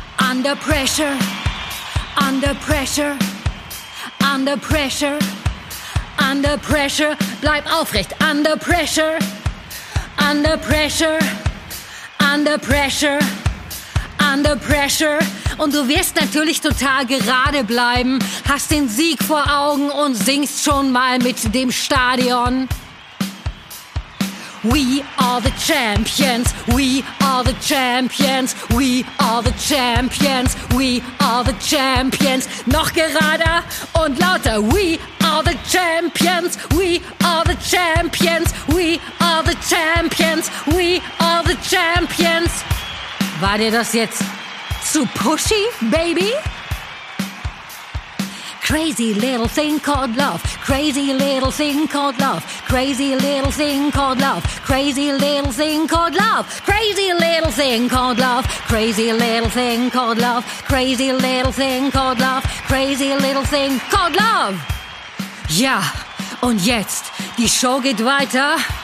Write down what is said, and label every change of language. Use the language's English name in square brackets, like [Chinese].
[English] Under pressure. Under pressure. Under pressure. Under pressure. [German] Bleib aufrecht. [English] Under pressure. Under pressure. Under pressure. Under pressure. [German] Und du wirst natürlich total gerade bleiben, hast den Sieg vor Augen und singst schon mal mit dem Stadion. [English] We are the champions, we are the champions, we are the champions, we are the champions. [German] Noch gerader und lauter. [English] We are the champions, we are the champions, we are the champions, we are the champions. [German] War dir das jetzt zu pushy, Baby? [English] Crazy little thing called love. Crazy little thing called love. Crazy little thing called love. Crazy little thing called love. Crazy little thing called love. Crazy little thing called love. Crazy little thing called love. Crazy little thing called love. [German] Ja, und jetzt, die Show geht weiter.